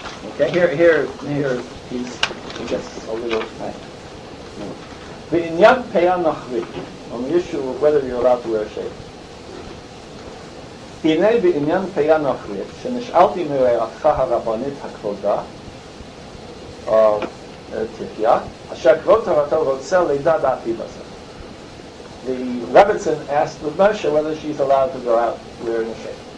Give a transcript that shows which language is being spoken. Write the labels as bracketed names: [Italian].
[English] Okay, here he gets a little angry. [Hebrew] V'inyan peyan nachri, [English] on the issue of whether you're allowed to wear a shape. [Hebrew] הנה בעניין פיה נוכרית, שנשאלתי מרעתך הרבנית הכבודה, או תחייה, אשר כבוד הרתו רוצה לידע דעתי בזה. [English] The Rebetzin asked the Moshe whether she's allowed to go out wearing a shape.